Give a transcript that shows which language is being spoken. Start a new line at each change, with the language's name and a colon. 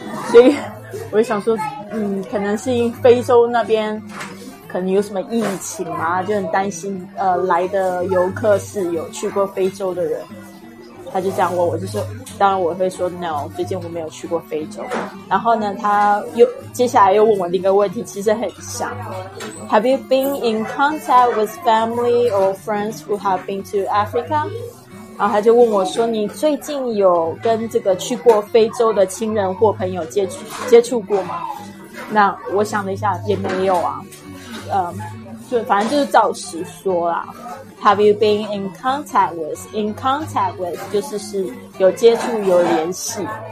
Chinese: 所以我想说可能是非洲那边可能有什么疫情嘛，就很担心来的游客是有去过非洲的人。他就这样问我，就说当然我会说 no， 最近我没有去过非洲。然后呢他又接下来又问我另一个问题，其实很像
English: Have you been in contact with family or friends who have been to Africa？
Chinese: 然后他就问我说你最近有跟这个去过非洲的亲人或朋友接触过吗？那我想了一下也没有啊，就反正就是照实说啦。
English: Have you been in contact with? In contact with
Chinese: 就是有接触有联系。